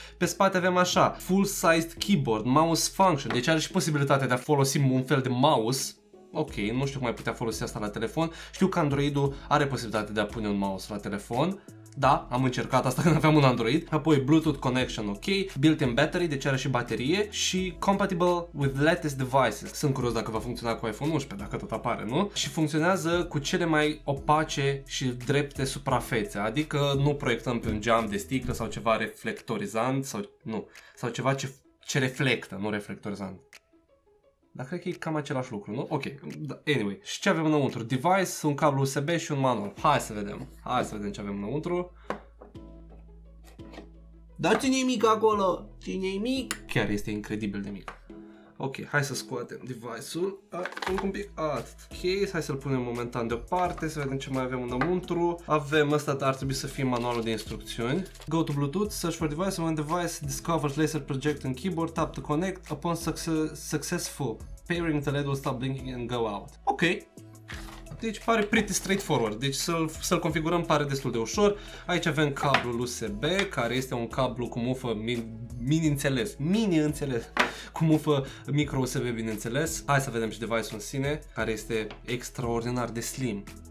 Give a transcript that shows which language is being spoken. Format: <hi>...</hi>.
<ro>Pe spate avem așa, full-sized keyboard, mouse function. Deci are și posibilitatea de a folosi un fel de mouse. Ok, nu știu cum ai putea folosi asta la telefon. Știu că Android-ul are posibilitatea de a pune un mouse la telefon. Da, am încercat asta când aveam un Android. Apoi Bluetooth connection, ok. Built-in battery, deci are și baterie.</ro> <en>Și compatible with latest devices.</en> <ro>Sunt curios dacă va funcționa cu iPhone 11, dacă tot apare, nu? Și funcționează cu cele mai opace și drepte suprafețe. Adică nu proiectăm pe un geam de sticlă sau ceva reflectorizant sau, nu, sau ceva ce reflectă, nu reflectorizant. Dar cred că e cam același lucru, nu? Ok, anyway. Și ce avem înăuntru? Device, un cablu USB și un manual. Hai să vedem ce avem înăuntru. Dar ce nimic acolo? Ce nimic? Chiar este incredibil de mic. Ok, hai să scoatem device-ul. Un pic. Ok, hai să-l punem momentan deoparte, să vedem ce mai avem înăuntru. Avem ăsta, dar ar trebui să fie manualul de instrucțiuni.</ro> <en>Go to Bluetooth, search for device, when device discovers laser projection keyboard, tap to connect, upon successful pairing, the LED will stop blinking and go out. Ok.</en> <ro>Deci pare pretty straightforward, deci să-l configurăm pare destul de ușor. Aici avem cablul USB, care este un cablu cu mufă mini-înțeles, cu mufă micro USB, bineînțeles. Hai să vedem și device-ul în sine, care este extraordinar de slim.</ro>